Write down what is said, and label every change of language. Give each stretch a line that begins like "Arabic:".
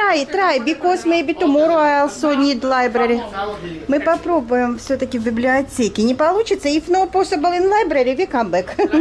English: Try, because maybe tomorrow I also need library.
Russian: Мы попробуем все-таки в библиотеке. Не получится?
English: If no possible in library, we come back.